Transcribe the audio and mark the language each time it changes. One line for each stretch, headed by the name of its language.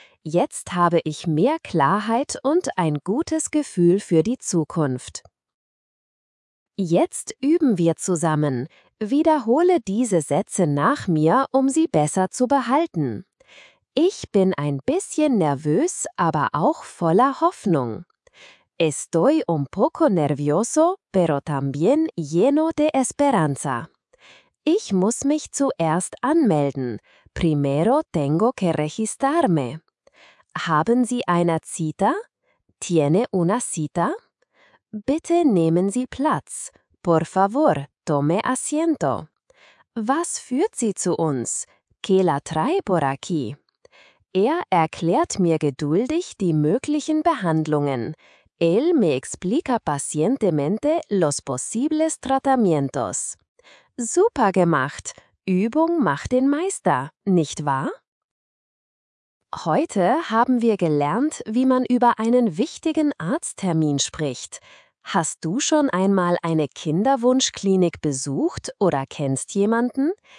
German: Jetzt habe ich mehr Klarheit und ein gutes Gefühl für die Zukunft. Jetzt üben wir zusammen. Wiederhole diese Sätze nach mir, um sie besser zu behalten. Ich bin ein bisschen nervös, aber auch voller Hoffnung.
Spanish: Estoy un poco nervioso, pero también lleno de esperanza.
German: Ich muss mich zuerst anmelden.
Spanish: Primero tengo que registrarme.
German: Haben Sie eine cita?
Spanish: ¿Tiene una cita?
German: Bitte nehmen Sie Platz.
Spanish: Por favor, tome asiento.
German: Was führt Sie zu uns?
Spanish: ¿Qué la trae por aquí?
German: Er erklärt mir geduldig die möglichen Behandlungen.
Spanish: Él me explica pacientemente los posibles tratamientos.
German: Super gemacht. Übung macht den Meister, nicht wahr? Heute haben wir gelernt, wie man über einen wichtigen Arzttermin spricht. Hast du schon einmal eine Kinderwunschklinik besucht oder kennst jemanden?